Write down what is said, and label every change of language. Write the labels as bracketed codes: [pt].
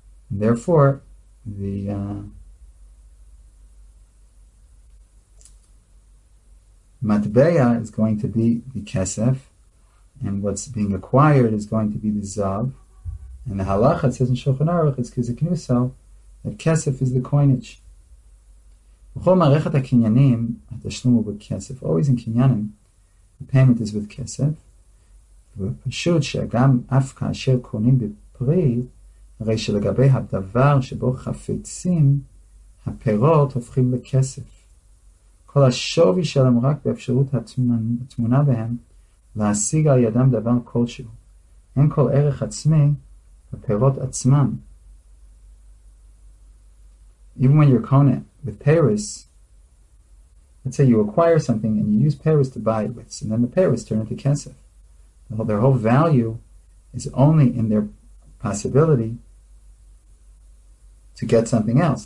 [en] And therefore, the matbeya is going to be the kesef, and what's being acquired is going to be the zav. And the halacha, it says in Shulchan Aruch, it's kizikinuso, that kesef is the coinage. [he] B'chol marechat ha-kinyanim, ha-tashlumu b'kesef. [en] Always in kinyanim, the payment is with kesef. [he] V'pashut she'agam afka asher konim b'pri, הרי שלגבי הדבר שבו חפצים, הפירות הופכים לכסף. כל השווי שלהם רק באפשרות התמונה בהם להשיג על ידם דבר כלשהו. אין כל ערך עצמי בפירות עצמם. [en] Even when you're cone with Paris, let's say you acquire something and you use Paris to buy it with, and then the Paris turn into כסף. Their whole value is only in their possibility to get something else.